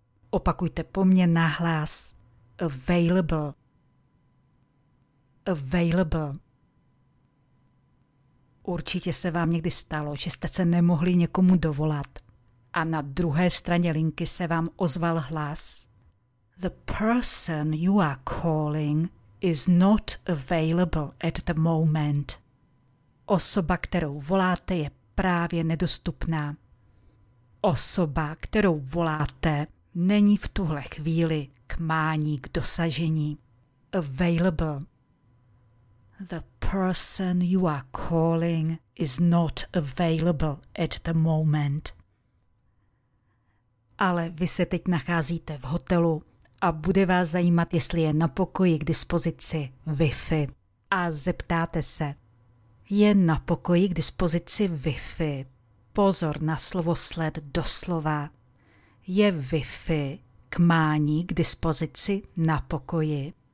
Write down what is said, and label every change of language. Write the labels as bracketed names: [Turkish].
[Czech] Opakujte po mně nahlas. [English] Available. Available. [Czech] Určitě se vám někdy stalo, že jste se nemohli někomu dovolat. A na druhé straně linky se vám ozval hlas. [English] The person you are calling is not available at the moment. [Czech] Osoba, kterou voláte, je právě nedostupná. Osoba, kterou voláte, není v tuhle chvíli k mání, k dosažení. [English] Available. The person you are calling is not available at the moment. [Czech] Ale vy se teď nacházíte v hotelu a bude vás zajímat, jestli je na pokoji k dispozici Wi-Fi. A zeptáte se, je na pokoji k dispozici Wi-Fi? Pozor na slovosled doslova. Je Wi-Fi k mání k dispozici na pokoji?